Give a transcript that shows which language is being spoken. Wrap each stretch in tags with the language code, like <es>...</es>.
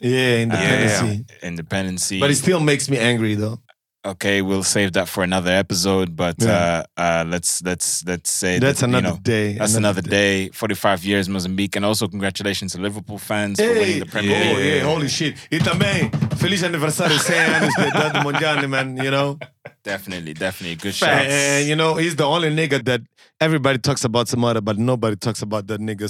<en>Yeah, independence. Yeah. Independence. But it still makes me angry, though. Okay, we'll save that for another episode. But let's say that's that, another day. That's another day. 45 years, Mozambique, and also congratulations to Liverpool fans for winning the Premier League. Yeah, yeah, holy shit!</en> <pt>E também feliz aniversário, 100 anos do Mundial, man.</pt> <en>You know, definitely, good shots. And you know, he's the only nigga that everybody talks about Samara, but nobody talks about that nigga.</en>